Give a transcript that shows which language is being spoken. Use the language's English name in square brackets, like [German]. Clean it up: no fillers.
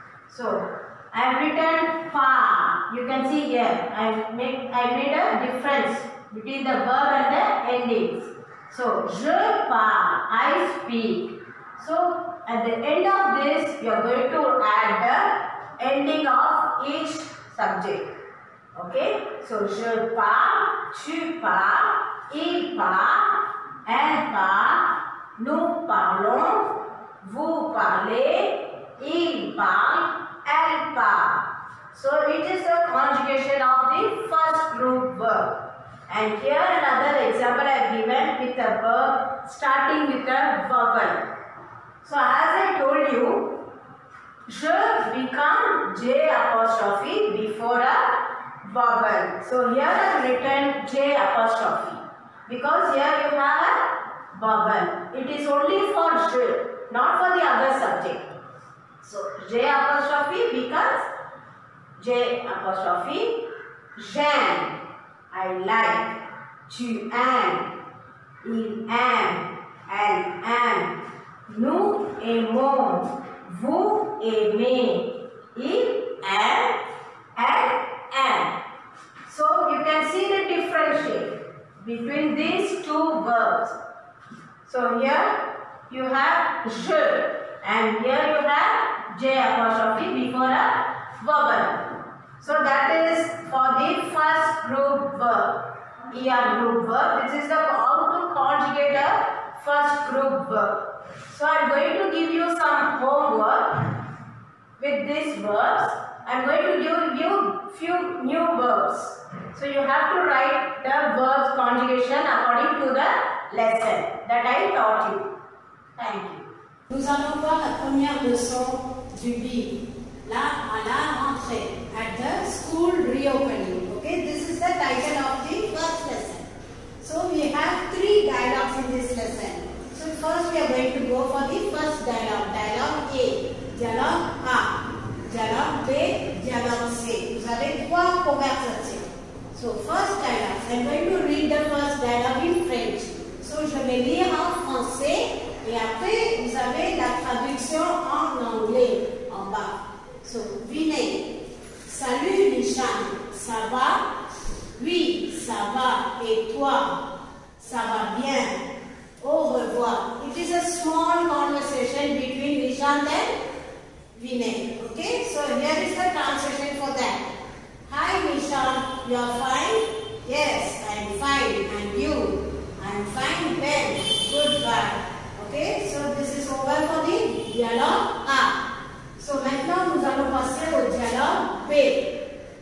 [English] So I have written par. You can see here I made a difference between the verb and the endings. So [French] je parle, [English] I speak. So at the end of this you are going to add the ending of each subject. [French] Okay, so je parle, tu parles, il parle, elle parle, nous parlons, vous parlez, il parle, elle parle. [English] So it is a conjugation of the first group verb. And here another example I have given with a verb starting with a vowel. So as I told you, je become J apostrophe before a vowel. So here I have written J apostrophe because here you have a vowel. It is only for je, not for the other subject. So J apostrophe becomes J apostrophe. [French] J'aime, [English] I like. [French] Tu aimes, il aime, elle aime. Nous aimons, vous aimez, il aime, elle aime. [English] So you can see the difference between these two verbs. So here you have je and here you have J apostrophe before a vowel. So that is for the first group verb, ER group verb, which is the how to conjugate a first group verb. So I am going to give you some homework with these verbs. I am going to give you few new verbs. So you have to write the verbs conjugation according to the lesson that I taught you. Thank you. [French] Nous allons voir la première leçon du livre. Là, à la rentrée, [English] at the school reopening. Okay, this is the title of the first lesson. So, we have three dialogues in this lesson. So, first we are going to go for the first dialogue. Dialogue A. Dialogue A. Dialogue B. Dialogue C. [French] Vous avez trois conversations. [English] So, first dialogue. I am going to read the first dialogue in French. [French] So, je vais lire en français. Et après, vous avez la traduction en anglais en bas. So, Vinay, salut Nishan, ça va? Oui, ça va. Et toi? Ça va bien. Au revoir. [English] It is a small conversation between Nishan and Vinay. Okay, so here is the translation for that. Hi Nishan, you are fine? Yes, I am fine. And you? I am fine, well. Goodbye. Okay, so this is over for the dialogue. [French] So maintenant nous allons passer au dialogue B.